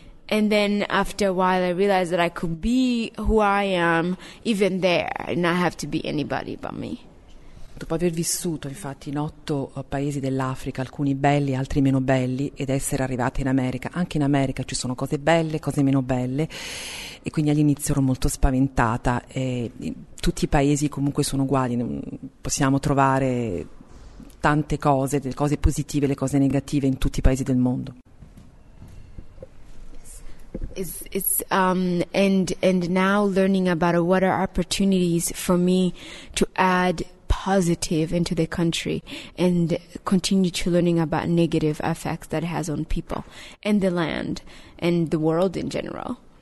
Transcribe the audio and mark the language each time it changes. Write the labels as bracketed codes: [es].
[en] And then after a while, I realized that I could be who I am even there and not have to be anybody but me. [it] Dopo aver vissuto infatti in 8 paesi dell'Africa, alcuni belli, altri meno belli, ed essere arrivata in America, anche in America ci sono cose belle, cose meno belle, e quindi all'inizio ero molto spaventata. E tutti i paesi comunque sono uguali, possiamo trovare tante cose, le cose positive, le cose negative in tutti i paesi del mondo. [en] And now learning about what are opportunities for me to add positive into the country and continue to learning about negative effects that it has on people and the land and the world in general.